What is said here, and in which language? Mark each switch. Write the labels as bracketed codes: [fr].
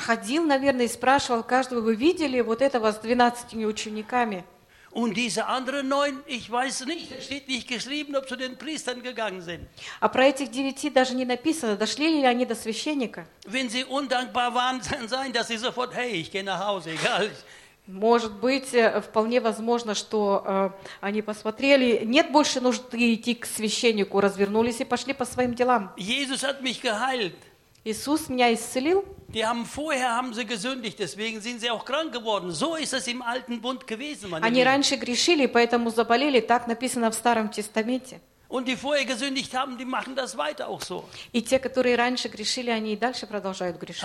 [ru] Ходил, наверное, и спрашивал каждого, вы видели вот этого с 12 учениками? [de] Und diese anderen 9, ich weiß nicht, es steht nicht geschrieben, ob zu den Priestern gegangen sind. [ru] А про этих 9 даже не написано, дошли ли они до священника. [de] Wenn sie undankbar waren, dann sein, dass sie sofort, hey, ich gehe nach Hause, egal. [ru] Может быть, вполне возможно, что они посмотрели, нет больше нужды идти к священнику, развернулись и пошли по своим делам. [de] Jesus hat mich geheilt. [ru] Иисус меня исцелил. [de] Die haben vorher haben sie gesündigt, deswegen sind sie auch krank geworden. So ist es im alten Bund gewesen. [ru] Они раньше грешили, поэтому заболели, так написано в Старом Тестаменте. [de] Und die vorher gesündigt haben, die machen das weiter auch so. [ru] И те, которые раньше грешили, они и дальше продолжают грешить.